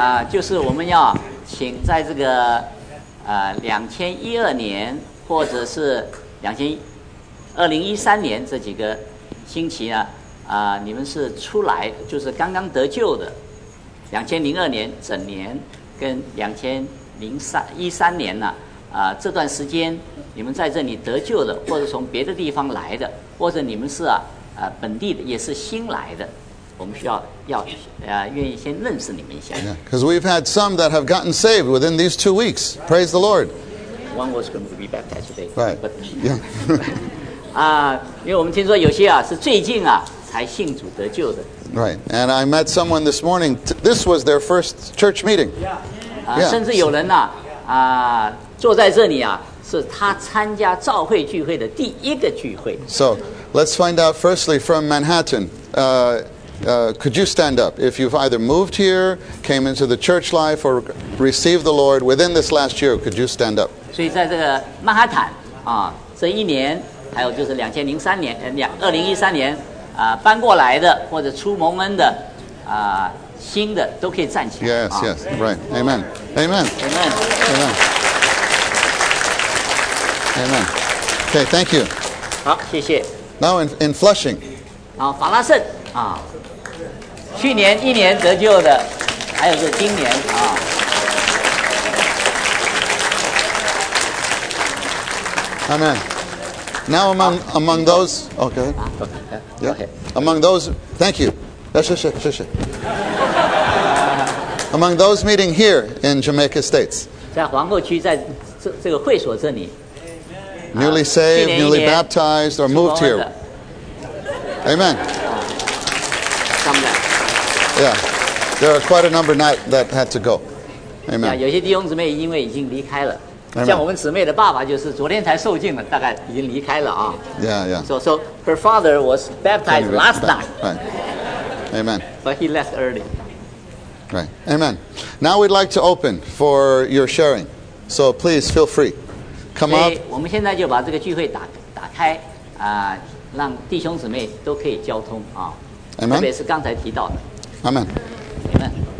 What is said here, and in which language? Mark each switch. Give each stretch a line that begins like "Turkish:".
Chinese: 就是我们要请在这个2012年或者是2013年这几个星期呢，你们是出来就是刚刚得救的2002年整年跟2013年呢，这段时间你们在这里得救的，或者从别的地方来的，或者你们是本地的，也是新来的，我们需要愿意先认识你们一下。
English: Because we've had some that have gotten saved within these 2 weeks. Praise the Lord. One was going to be baptized today. Right. But, yeah.
Chinese: 因为我们听说有些是最近才信主得救的。
English: Right. And I met someone this morning. This was their first church meeting. Yeah. Yeah.
Chinese: 甚至有人坐在这里是他参加召会聚会的第一个聚会。
English: So, let's find out firstly from Manhattan. Could you stand up if you've either moved here, came into the church life, or received the Lord within this last year? Could you stand up?
Chinese: 所以在这个曼哈坦这一年，还有就是2013年搬过来的或者出蒙恩的新的都可以站起来。
English: Yes, yes, right. Amen. Amen. Amen. Amen. Amen. Okay, thank you.
Chinese: 好，谢谢。
English: Now in Flushing.
Chinese: 法拉盛去年一年得救的，还有是今年
English: Amen. Now among those, okay. Okay. Yeah. Among those, thank you.
Chinese: 谢谢。
English: Among those meeting here in Jamaica States.
Chinese: 在皇后区，在这个会所这里。
English: Newly saved, newly baptized, or moved here. Amen. Yeah, there are quite a number that had to go. Amen. Yeah,
Chinese: 有些弟兄姊妹因为已经离开了。像我们姊妹的爸爸就是昨天才受浸的，大概已经离开了
English: Yeah, yeah. So her father was baptized last night. Right. Amen. But he left early. Right. Amen. Now we'd like to open for your sharing. So please feel free. Come up.
Chinese: 我们现在就把这个聚会打开让弟兄姊妹都可以交通
English: Amen.
Chinese: 特别是刚才提到的。
English: Amen. Amen.